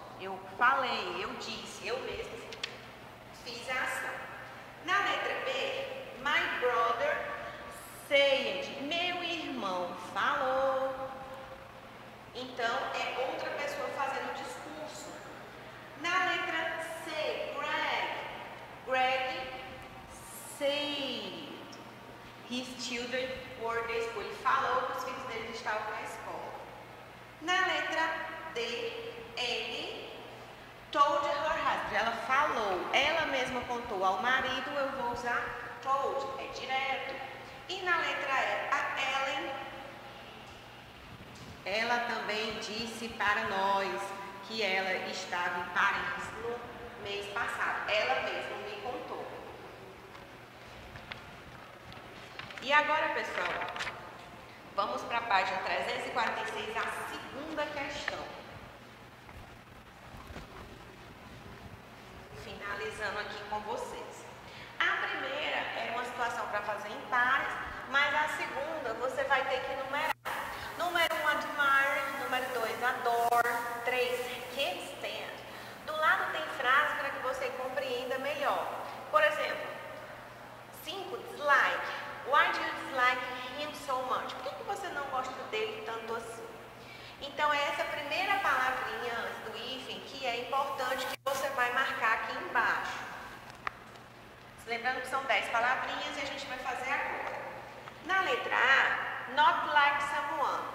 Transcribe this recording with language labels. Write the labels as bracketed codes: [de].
[pt] Eu falei, eu disse, eu mesma fiz a ação. Na letra B, [en] my brother said, [pt] meu irmão. irmão falou. Então, é outra pessoa fazendo o discurso. Na letra C, Greg. [en] Greg said his children were at school. [pt] Ele falou que os filhos deles estavam na escola. Na letra D, ele [en] told her husband. [pt] Ela falou, ela mesma contou ao marido, eu vou usar told, é direto. E na letra E, a Ellen, ela também disse para nós que ela estava em Paris no mês passado. Ela mesma me contou. E agora, pessoal, vamos para a página 346, a segunda questão. Finalizando aqui com vocês. A primeira é uma situação para fazer em pares, mas a segunda você vai ter que numerar. Número 1, admire. Número 2, adore. 3, can't stand. Do lado tem frase para que você compreenda melhor. Por exemplo, 5, dislike. [en] Why do you dislike him so much? [pt] Por que que você não gosta dele tanto assim? Então, é essa primeira palavrinha antes do hífen que é importante que você vai marcar aqui embaixo. Lembrando que são 10 palavrinhas e a gente vai fazer agora. Na letra A, [en] not like someone.